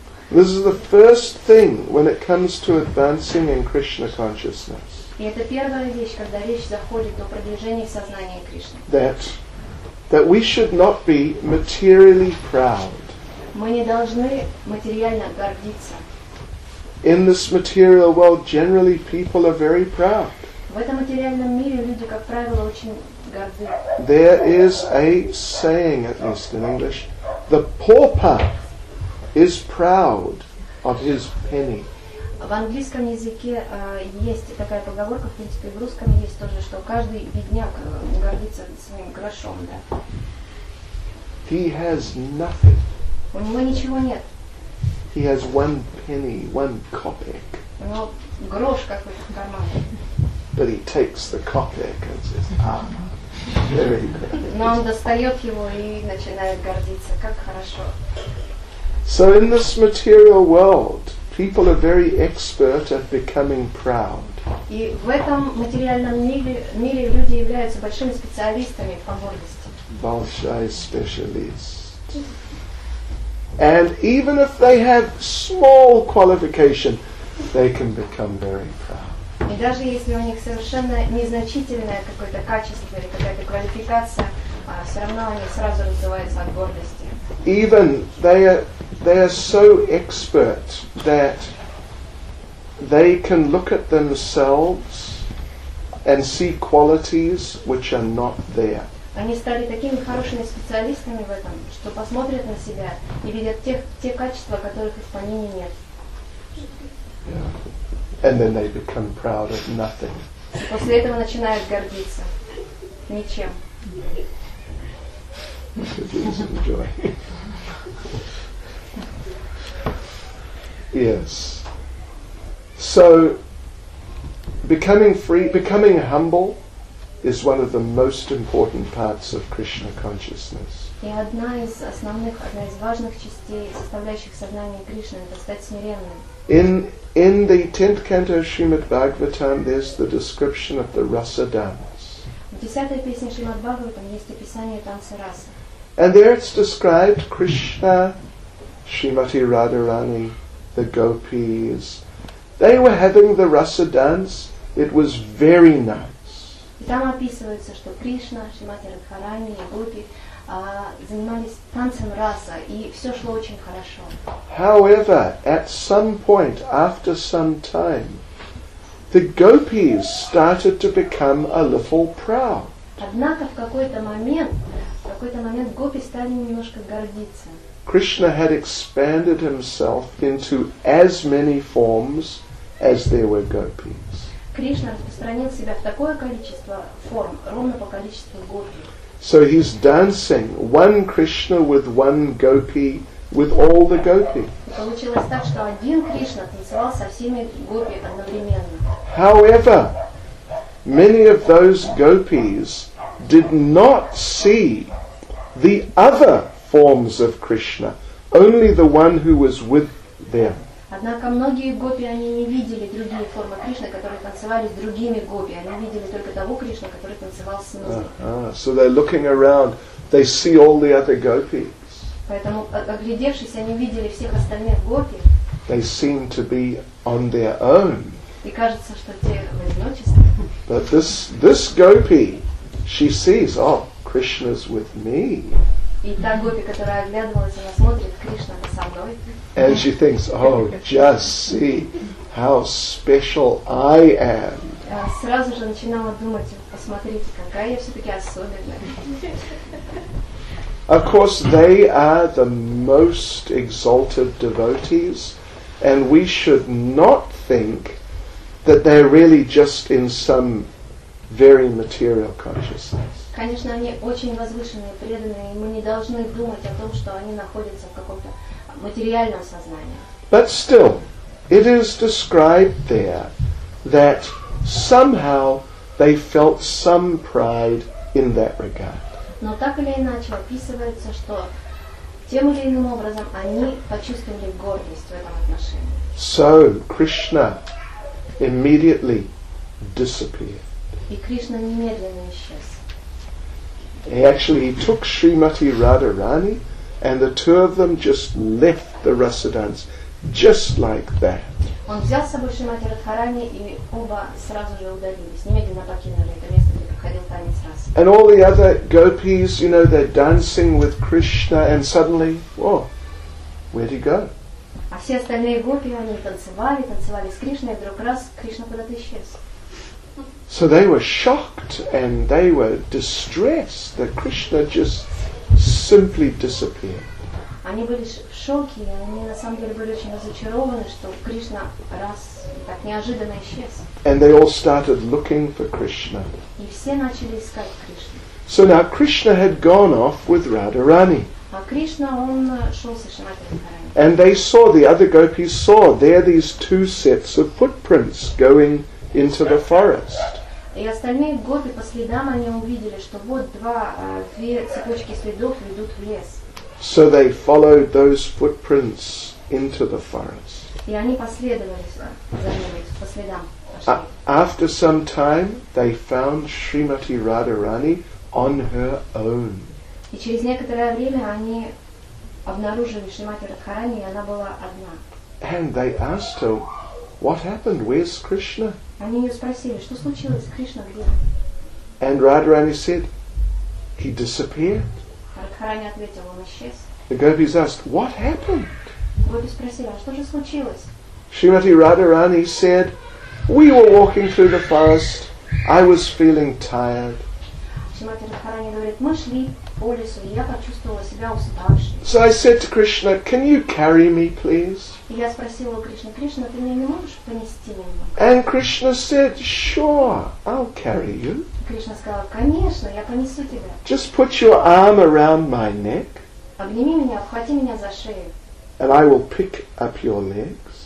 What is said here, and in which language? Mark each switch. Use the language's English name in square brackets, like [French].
[English] This is the first thing when it comes to advancing in Krishna consciousness. [Russian] И это первая вещь, когда речь заходит о продвижении сознания Кришны. [English] That we should not be materially proud. [Russian] Мы не должны материально гордиться. [English] In this material world, generally people are very proud. [Russian] В этом материальном мире люди, как правило, очень горды. [English] There is a saying, at least in English, the pauper is proud of his penny. [Russian] В английском языке есть такая поговорка, в принципе, в русском есть тоже, что каждый бедняк гордится своим грошом, да. [English] He has nothing. [Russian] У него ничего нет. [English] He has one penny, one copeck. [Russian] У него грош какой-то в кармане. [English] But he takes the copeck and says, ah, very good. [Russian] Но он достает его и начинает гордиться, как хорошо. [English] So in this material world, people are very expert at becoming proud. [Russian] И в этом материальном мире люди являются большими специалистами по гордости. Большой специалист. [English] And even if they have small qualification, they can become very proud. [Russian] И даже если у них совершенно незначительное какое-то качество или какая-то квалификация, все равно они сразу развиваются от гордости. [English] Even they are so expert that they can look at themselves and see qualities which are not there. [Russian] Они стали такими хорошими специалистами в этом, что посмотрят на себя и видят те качества, которых в помине нет. [English] Yeah. And then they become proud of nothing. [Russian] После этого начинают гордиться ничем. [English] Yes. So becoming free, becoming humble is one of the most important parts of Krishna consciousness. [Russian] И одна из основных, одна из важных частей, составляющих сознание Кришны, это стать смиренным. [English] In the 10th canto of Srimad Bhagavatam there's the description of the rasa dance. [Russian] В 10-й песне Шримад Бхагаватам есть описание танца раса. [English] And there it's described Krishna, Srimati Radharani, the gopis. They were having the rasa dance. It was very nice. [Russian] И там описывается, что Кришна, Шримати Радхарани и гопи занимались танцем раса, и все шло очень хорошо. [English] However, at some point, after some time, the gopis started to become a little proud. [Russian] Однако в какой-то момент гопи стали немножко гордиться. [English] Krishna had expanded himself into as many forms as there were gopis. [Russian] Кришна распространил себя в такое количество форм, ровно по количеству гопи. [English] So he's dancing one Krishna with one gopi with all the gopi. [Russian] Получилось так, что один Кришна танцевал со всеми гопи одновременно. [English] However, many of those gopis did not see the other forms of Krishna, only the one who was with them. [Russian] Однако многие гопи они не видели другие формы Кришны, которые танцевали с другими гопи. Они видели только того Кришну, который танцевал с ними. [English] So they're looking around, they see all the other gopis. [Russian] Поэтому, оглядевшись, они видели всех остальных гопи. [English] They seem to be on their own. [Russian] И кажется, что те в одиночестве. [English] But this gopi, she sees, oh, Krishna's with me. [Russian] И та гопи, которая оглядывалась, она смотрит, Кришна со мной. [English] And she thinks, oh, just see how special I am. [Russian] Сразу же начинала думать, посмотрите, какая я все-таки особенная. [English] Of course, they are the most exalted devotees, and we should not think that they're really just in some very material consciousness. [Russian] Конечно, они очень возвышенные, преданные, и мы не должны думать о том, что они находятся в каком-то материальном сознании. [English] But still, it is described there that somehow they felt some pride in that regard. [Russian] Но так или иначе описывается, что тем или иным образом они почувствовали гордость в этом отношении. [English] So, Krishna immediately disappeared. [Russian] И Кришна немедленно исчез. [English] He took Srimati Radharani and the two of them just left the rasa dance just like that. [Russian] Он взял с собой Шримати Радхарани и оба сразу же удалились, немедленно покинули это место, где проходил танец раса. [English] And all the other gopis, you know, they're dancing with Krishna and suddenly, whoa, where'd he go? [Russian] А все остальные гопи, они танцевали с Кришной, и вдруг раз, Кришна куда-то исчез. [English] So they were shocked and they were distressed that Krishna just simply disappeared. [Russian] они были в шоке, и они на самом деле были очень разочарованы, что Кришна раз так неожиданно исчез. [English] And they all started looking for Krishna. [Russian] И все начали искать Кришну. [English] So now Krishna had gone off with Radharani. [Russian] А Кришна, он шел с Шанати Радхарани. [English] And they saw, the other gopis saw, there these two sets of footprints going into the forest. [Russian] И остальные гопи по следам они увидели, что вот две цепочки следов ведут в лес. [English] So they followed those footprints into the forest. [Russian] И они последовали за ними по следам. [English] After some time, they found Srimati Radharani on her own. [Russian] И через некоторое время они обнаружили Шримати Радхарани, и она была одна. [English] And they asked her, what happened? Where's Krishna? [Russian] Они ее спросили, что случилось, Кришна где? [English] And Radharani said, he disappeared. [Russian] Радхарани ответила, он исчез. [English] The gopis asked, what happened? [Russian] Гопи спросили, а что же случилось? [English] Shrimati Radharani said, we were walking through the forest, I was feeling tired. [Russian] Шримати Радхарани говорит, мы шли по лесу, и я почувствовала себя уставшей. [English] So I said to Krishna, can you carry me, please? [Russian] И я спросила у Кришны, Кришна, ты меня не можешь понести немного? [English] And Krishna said, sure, I'll carry you. [Russian] Кришна сказала, конечно, я понесу тебя. [English] Just put your arm around my neck. [Russian] Обними меня, обхвати меня за шею. [English] And I will pick up your legs.